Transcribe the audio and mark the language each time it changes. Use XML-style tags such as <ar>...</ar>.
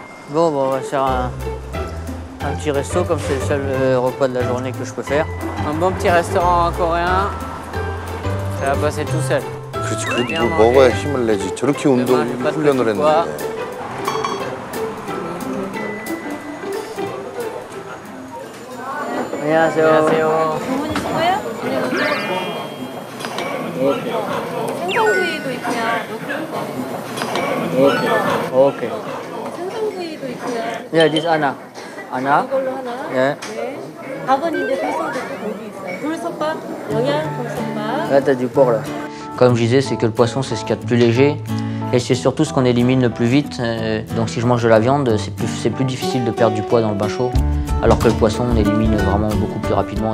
<fr>Bon, on va faire un petit resto, comme c'est le seul repas de la journée que je peux faire. Un bon petit restaurant en coréen, ça va passer tout seul. C'est bien manger. Bon, manger. Ouais,</fr> <ko>힘을 내지. 저렇게 운동, 훈련을 했는데.</ko> <fr>Bonjour. Bonjour. Vous venez de quoi? Oui. Il y a</fr> <en>Okay. Okay.</en> <ko>생선구이도 있고요.</ko> <en>Yeah, this Anna. Anna.</en> <ko>이걸로 하나. 네. 네. 밥은 이제 돌솥밥도 거기 있어요. 돌솥밥, 영양 돌솥밥. 아, 다들 먹어 봐.</ko> <fr>Comme je disais, c'est que le poisson, c'est ce qu'il y a de plus léger. Et c'est surtout ce qu'on élimine le plus vite. Donc si je mange de la viande, c'est plus difficile de perdre du poids dans le bain chaud. Alors que le poisson, on élimine vraiment beaucoup plus rapidement.</fr>